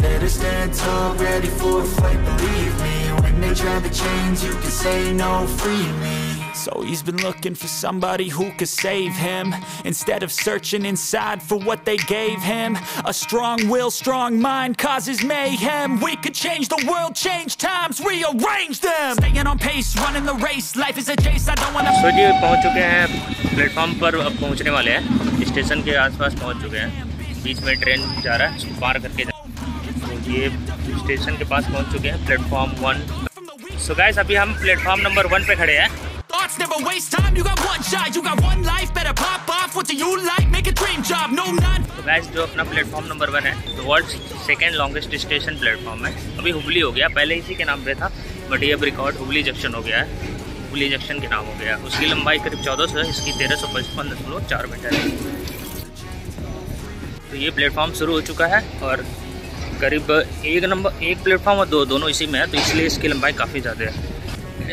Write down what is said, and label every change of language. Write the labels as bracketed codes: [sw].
[en] Better stand tall, ready for a fight. Believe me, when they try the chains, you can say no. Free me. So he's been looking for somebody who could save him, instead of searching inside for what they gave him. A strong will, strong mind causes mayhem. We could change the world, change times, rearrange them. Staying on pace, running the race. Life is a chase, I don't wanna. [hi] So ji, पहुंच चुके हैं platform पर, अब पहुंचने वाले हैं station के आसपास, पहुंच चुके हैं, बीच में ट्रेन जा रहा है पार करके। तो ये स्टेशन के पास पहुंच चुके हैं, प्लेटफॉर्म 1। सो गाइस अभी हम प्लेटफॉर्म नंबर 1 पे खड़े हैं। [en] Thoughts never waste time, you got one shot, you got one life, better pop off, what do you like, make a dream job, no none. [hi] So guys, जो अपना platform number 1 है, [en] the world's second longest station [hi] platform है, अभी हुबली हो गया, पहले इसी के नाम पे था, बट ये अब रिकॉर्ड हुबली जंक्शन हो गया है, हुबली जंक्शन के नाम हो गया। उसकी लंबाई करीब 1400 है, इसकी 1355.4 है। तो ये प्लेटफॉर्म शुरू हो चुका है और करीब एक प्लेटफॉर्म और दोनों इसी में है, तो इसलिए इसकी लंबाई काफ़ी ज़्यादा है।